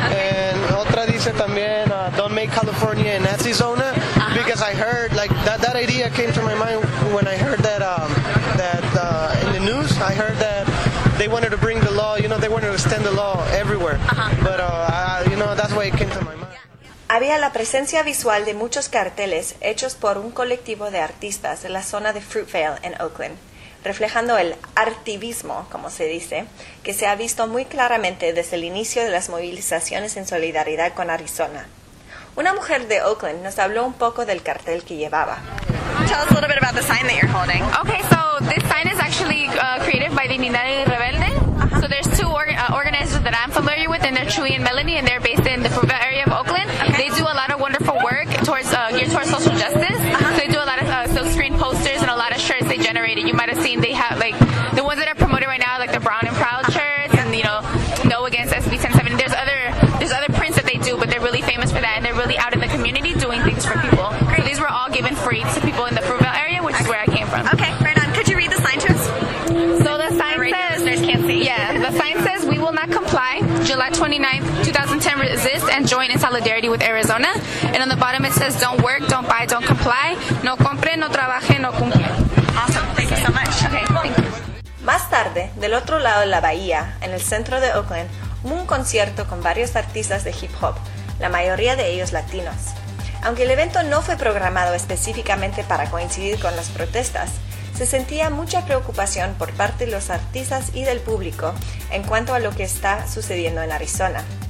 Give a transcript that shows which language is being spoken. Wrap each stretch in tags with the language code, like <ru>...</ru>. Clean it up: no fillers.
<en>And</en> <es>otra dice también,</es> <en>don't make California a Nazi zona, because I heard, like, that idea came to my mind when I heard that in the news, I heard that they wanted to bring the law, you know, they wanted to extend the law everywhere, but, you know, that's why it came to my mind.</en> <es>Había la presencia visual de muchos carteles hechos por un colectivo de artistas de la zona de Fruitvale en Oakland, reflejando el artivismo, como se dice, que se ha visto muy claramente desde el inicio de las movilizaciones en solidaridad con Arizona. Una mujer de Oakland nos habló un poco del cartel que llevaba.</es> <en>Tell us a little bit about the sign that you're holding. Okay, so this sign is actually created by the Dignidad y Rebelde. Uh-huh. So there's two organizers that I'm familiar with, and they're Chuy and Melanie, and they're based in the Fruitvale area of Oakland. Okay. They do a lot of wonderful work geared towards social justice. Uh-huh. They do a lot of silkscreen posters and a lot of shirts they generated. You might have seen they have, like, the ones that are promoted right now, like the Brown and Proud shirts, uh-huh. and, you know, No Against SB 1070. There's other prints that they do, but they're really famous for that, and they're really out in the community doing things for people. Great. So these were all given free to people in the Fruitvale area, which is where I came from. Okay, right on. Could you read the sign to us? So the sign says... The sign says, we will not comply. July 29th, 2010, resist and join in solidarity with Arizona. And on the bottom it says, don't work, don't buy, don't comply.</en> <es>No compre, no trabaje, no cumple.</es> <en>Awesome. Thank you so much. Okay, thank you.</en> <es>Más tarde, del otro lado de la bahía, en el centro de Oakland, hubo un concierto con varios artistas de hip hop, la mayoría de ellos latinos. Aunque el evento no fue programado específicamente para coincidir con las protestas, se sentía mucha preocupación por parte de los artistas y del público en cuanto a lo que está sucediendo en Arizona.</es>